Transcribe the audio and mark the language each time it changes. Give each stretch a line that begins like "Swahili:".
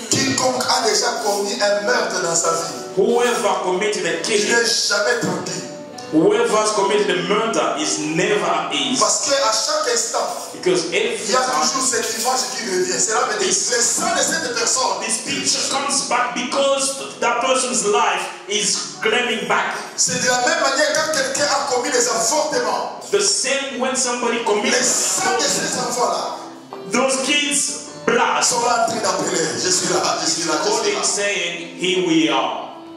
French: Quiconque a déjà commis un meurtre dans sa vie.
English: Whoever committed a killing,
French: il n'est jamais tranquille.
English: Whoever has committed a murder is never eased.
French: Parce que à chaque instant,
English: because every time,
French: il y a toujours cette image qui revient. C'est là, mais le sang de cette personne.
English: This picture comes back because that person's life is claiming back.
French: C'est de la même manière quand quelqu'un a commis des avortements.
English: The same when somebody commits.
French: Le sang de ces enfants-là.
English: Those kids' blood. God is saying, here we are.